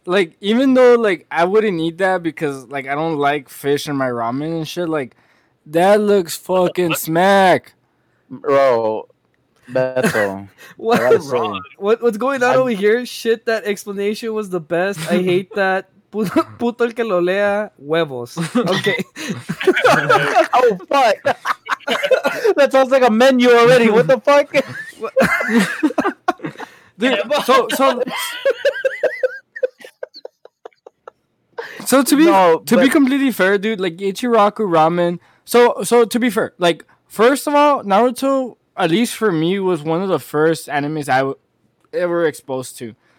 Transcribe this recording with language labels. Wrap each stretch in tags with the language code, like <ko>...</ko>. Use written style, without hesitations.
<en>Like, even though, like, I wouldn't eat that because, like, I don't like fish in my ramen and shit, like, that looks fucking smack, bro. Beto, what's going on over here? Shit, that explanation was the best. I hate that.</en> <es>Puto el que lo lea, huevos.</es> <en>Okay. Oh fuck! That sounds like a menu already. What the fuck? Dude, so to be completely fair, dude, like Ichiraku ramen. So to be fair, like, first of all, Naruto, at least for me, was one of the first animes I ever exposed to.</en>